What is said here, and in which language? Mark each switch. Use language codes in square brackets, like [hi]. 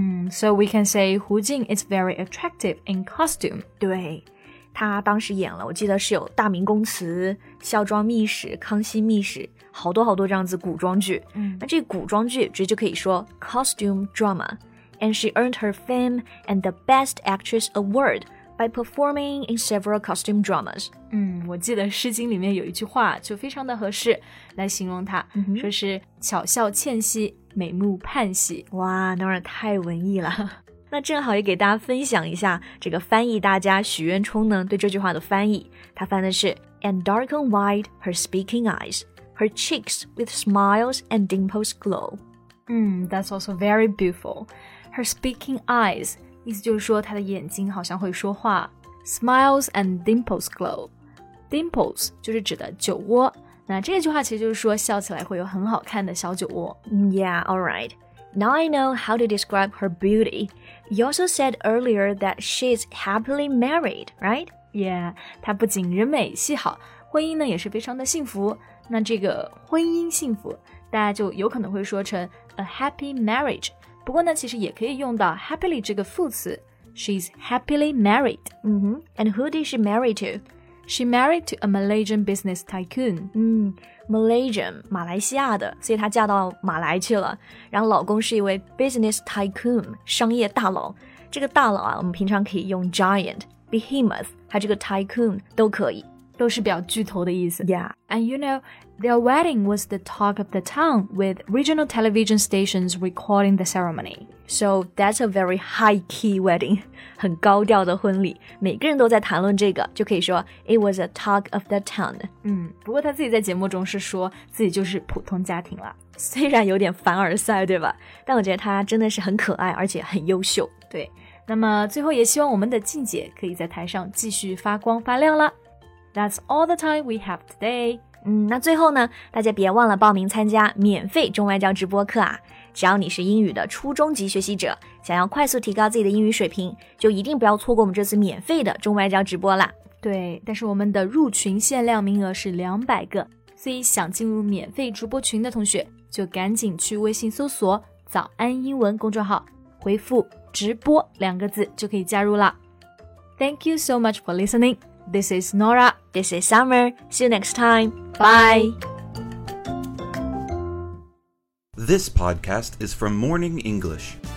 [en] So we can say Hu Jin is very attractive in costume. [zh] 对，她当时演了，我记得是有大明宫词、孝庄秘史、康熙秘史，好多好多这样子古装剧。那这古装剧直接就可以说 costume drama. [en] And she earned her fame and the Best Actress Award. By performing in several costume dramas. [zh] 我记得《诗经》里面有一句话就非常的合适来形容她、 mm-hmm. 说是巧笑倩兮美目盼兮。哇，那玩意太文艺了。那正好也给大家分享一下这个翻译大家许渊冲呢对这句话的翻译。他翻的是 [en] And dark and wide her speaking eyes, her cheeks with smiles and dimples glow. That's also very beautiful. Her speaking eyes, [zh] 意思就是说她的眼睛好像会说话 [en] Smiles and dimples glow. [zh] Dimples 就是指的酒窝，那这句话其实就是说笑起来会有很好看的小酒窝。 [en] Yeah, alright. Now I know how to describe her beauty. You also said earlier that she's happily married, right? Yeah, [zh] 她不仅人美戏好，婚姻呢也是非常的幸福。那这个婚姻幸福大家就有可能会说成 [en] a happy marriage， [zh] 不过呢其实也可以用到 happily 这个副词 [en] She's happily married、 mm-hmm. And who did she marry to? She married to a Malaysian business tycoon、 [zh] Malaysian, 马来西亚的，所以她嫁到马来去了，然后老公是一位 business tycoon, 商业大佬。这个大佬啊，我们平常可以用 giant, behemoth, 还有这个 tycoon 都可以，都是表巨头的意思。 [en] Yeah. And you knowTheir wedding was the talk of the town with regional television stations recording the ceremony. So that's a very high-key wedding. [zh] 很高调的婚礼，每个人都在谈论这个，就可以说 [en] it was a talk of the town. [zh] 不过他自己在节目中是说自己就是普通家庭了，虽然有点凡尔赛，对吧？但我觉得他真的是很可爱，而且很优秀。对，那么最后也希望我们的静姐可以在台上继续发光发亮了。 [en] That's all the time we have today. [zh] 那最后呢，大家别忘了报名参加免费中外教直播课啊！只要你是英语的初中级学习者，想要快速提高自己的英语水平，就一定不要错过我们这次免费的中外教直播啦。对，但是我们的入群限量名额是200个，所以想进入免费直播群的同学，就赶紧去微信搜索“早安英文”公众号，回复“直播”两个字就可以加入了。 [en] Thank you so much for listening. This is Nora. This is Summer. See you next time. Bye. This podcast is from Morning English.